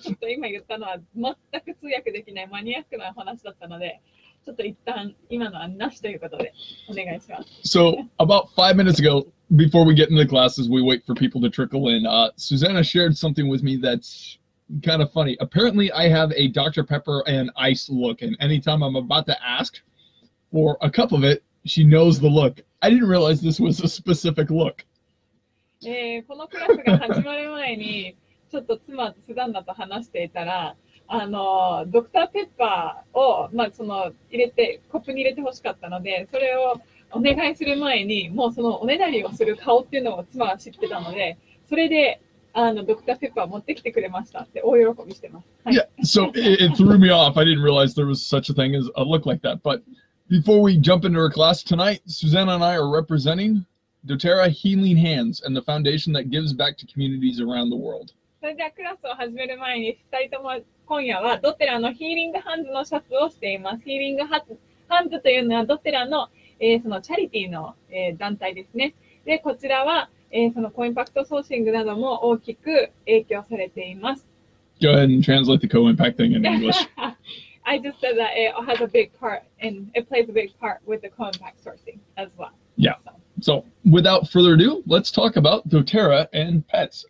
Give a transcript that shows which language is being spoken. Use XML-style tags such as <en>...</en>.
<ja>ちょっと今言ったのは全く通訳できないマニアックな話だったので、ちょっと一旦今のはなしということでお願いします。</ja> <en>So, about 5 minutes ago, before we get into classes, we wait for people to trickle in. Susanna shared something with me that's kind of funny. Apparently, I have a Dr. Pepper and ice look, and anytime I'm about to ask for a cup of it, she knows the look. I didn't realize this was a specific look.</en> <ja>このクラスが始まる前に、ちょっと妻、スザンナと話していたら、ドクターペッパーを、まあ、その入れて、コップに入れてほしかったので、それをお願いする前に、もうそのおねだりをする顔っていうのを妻は知ってたので、それで、</ja> <en>Yeah, so it threw me off. I didn't realize there was such a thing as a look like that. But before we jump into our class tonight, Susanna and I are representing doTERRA Healing Hands and the foundation that gives back to communities around the world.</en> <ja>それではクラスを始める前に、2人とも今夜はdoTERRAのヒーリングハンズのシャツをしています。ヒーリングハンズというのはdoTERRAの、そのチャリティーの、団体ですね。で、こちらはそのコインパクトソーシングなども大きく影響されています。</ja> <en>Go ahead and translate the co-impact thing in English. I just said that it has a big part and it plays a big part with the co-impact sourcing as well. Yeah. So without further ado, let's talk about doTERRA and pets.</en>